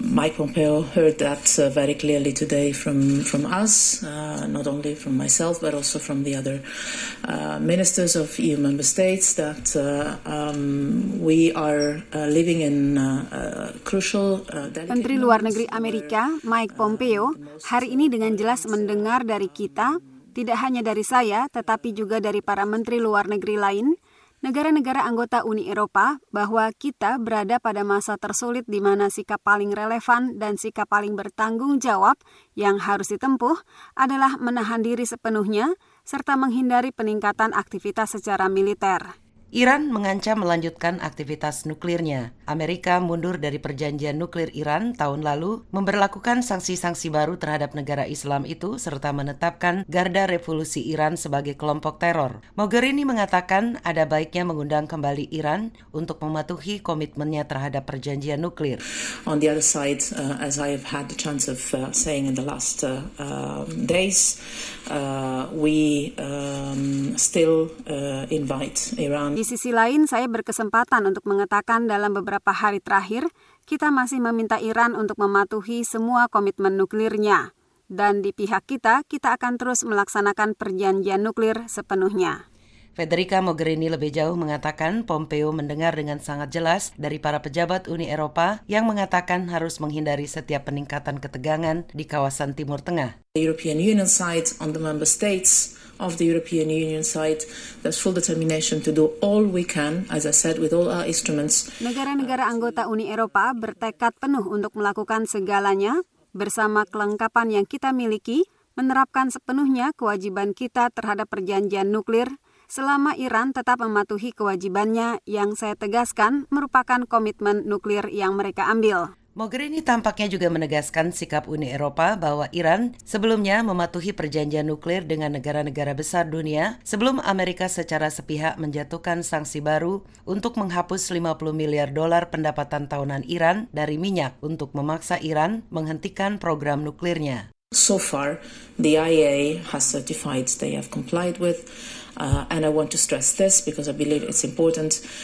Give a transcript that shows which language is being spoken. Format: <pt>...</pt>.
<en>Mike Pompeo heard that very clearly today from us, not only from myself but also from the other ministers of EU member states, that we are living in crucial.</en> <id>Menteri Luar Negeri Amerika Mike Pompeo hari ini dengan jelas mendengar dari kita, tidak hanya dari saya, tetapi juga dari para menteri luar negeri lain, negara-negara anggota Uni Eropa, bahwa kita berada pada masa tersulit di mana sikap paling relevan dan sikap paling bertanggung jawab yang harus ditempuh adalah menahan diri sepenuhnya serta menghindari peningkatan aktivitas secara militer. Iran mengancam melanjutkan aktivitas nuklirnya. Amerika mundur dari perjanjian nuklir Iran tahun lalu, memberlakukan sanksi-sanksi baru terhadap negara Islam itu, serta menetapkan Garda Revolusi Iran sebagai kelompok teror. Mogherini mengatakan ada baiknya mengundang kembali Iran untuk mematuhi komitmennya terhadap perjanjian nuklir.</id> <en>On the other side, as I have had the chance of saying in the last days, we still invite Iran.</en> <id>Di sisi lain, saya berkesempatan untuk mengatakan dalam beberapa hari terakhir, kita masih meminta Iran untuk mematuhi semua komitmen nuklirnya. Dan di pihak kita akan terus melaksanakan perjanjian nuklir sepenuhnya. Federica Mogherini lebih jauh mengatakan Pompeo mendengar dengan sangat jelas dari para pejabat Uni Eropa yang mengatakan harus menghindari setiap peningkatan ketegangan di kawasan Timur Tengah.</id> <en>The European Union side on the member states of the European Union side, there's full determination to do all we can, as I said, with all our instruments.</en> <id>Negara-negara anggota Uni Eropa bertekad penuh untuk melakukan segalanya bersama kelengkapan yang kita miliki, menerapkan sepenuhnya kewajiban kita terhadap perjanjian nuklir, selama Iran tetap mematuhi kewajibannya yang saya tegaskan merupakan komitmen nuklir yang mereka ambil. Mogherini tampaknya juga menegaskan sikap Uni Eropa bahwa Iran sebelumnya mematuhi perjanjian nuklir dengan negara-negara besar dunia sebelum Amerika secara sepihak menjatuhkan sanksi baru untuk menghapus $50 miliar pendapatan tahunan Iran dari minyak untuk memaksa Iran menghentikan program nuklirnya.</id> <en>So far, the IAEA has certified they have complied with. And I want to stress this because I believe it's important.</en>